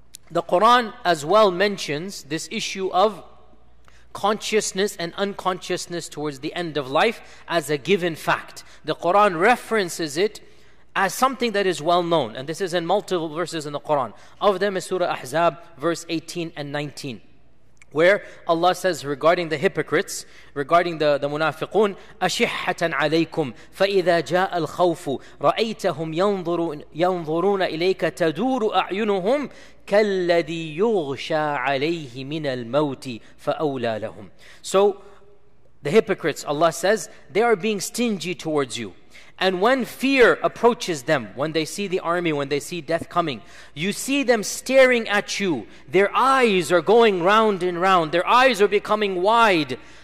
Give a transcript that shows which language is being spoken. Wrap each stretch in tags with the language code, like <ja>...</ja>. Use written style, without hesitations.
<en>The Quran as well mentions this issue of consciousness and unconsciousness towards the end of life as a given fact. The Quran references it as something that is well known. And this is in multiple verses in the Quran. Of them is Surah Ahzab, verse 18 and 19. Where Allah says regarding the hypocrites, regarding the munafiqun,</en> <ar>أَشِحَّةً عَلَيْكُمْ فَإِذَا جَاءَ الْخَوْفُ رَأَيْتَهُمْ يَنْظُرُونَ إِلَيْكَ تَدُورُ أَعْيُنُهُمْ كَالَّذِي يُغْشَى عَلَيْهِ مِنَ الْمَوْتِ فَأَوْلَى لَهُمْ.</ar> <en>So the hypocrites, Allah says, they are being stingy towards you. And when fear approaches them, when they see the army, when they see death coming, you see them staring at you. Their eyes are going round and round. Their eyes are becoming wide.</en>